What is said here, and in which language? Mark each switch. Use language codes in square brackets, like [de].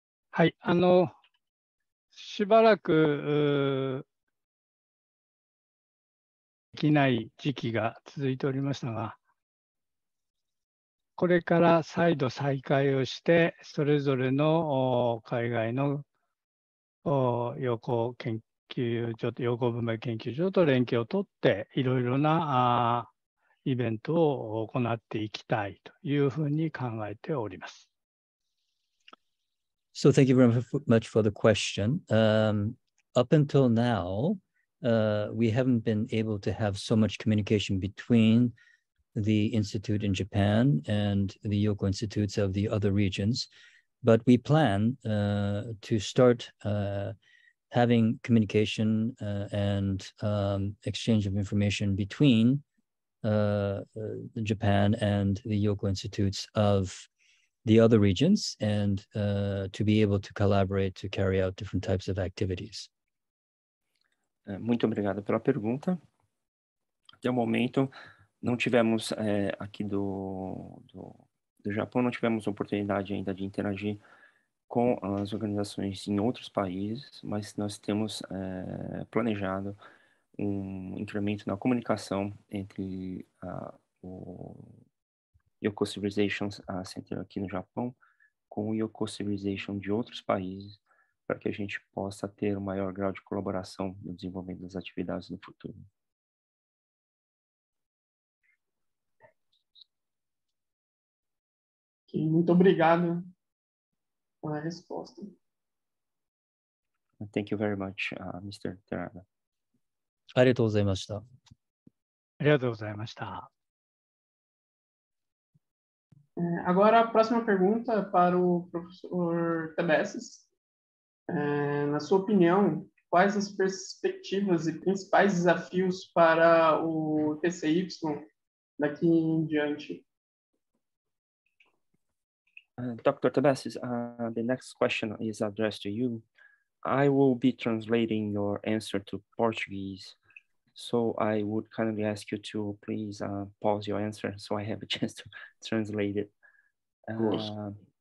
[ja] はい、しばらくできない時期が続いておりましたが、これから再度再開をして、それぞれの海外の陽光研究所と陽光文明研究所と連携を取って、いろいろなイベントを行っていきたいというふうに考えております。 [en] So thank you very much for the question. Up until now, we haven't been able to have so much communication between the Institute in Japan and the Yoko Institutes of the other regions. But we plan to start having communication and exchange of information between Japan and the Yoko Institutes of the other regions, and to be able to collaborate to carry out different types of activities. [pt] Muito obrigado pela pergunta. Até o momento, não tivemos aqui do Japão, não tivemos oportunidade ainda de interagir com as organizações em outros países, mas nós temos planejado um incremento na comunicação entre o Yoko Civilization Center aqui no Japão com o Yoko Civilization de outros países, para que a gente possa ter um maior grau de colaboração no desenvolvimento das atividades no futuro. Muito obrigado pela resposta. [en] Thank you very much, Mr. Terada. [ja] ありがとうございました。ありがとうございました。 [pt] Agora, a próxima pergunta para o professor Tebecis. Na sua opinião, quais as perspectivas e principais desafios para o TCY daqui em diante? [en] Dr. Tebecis, the next question is addressed to you. I will be translating your answer to Portuguese, so I would kindly ask you to please pause your answer so I have a chance to translate it.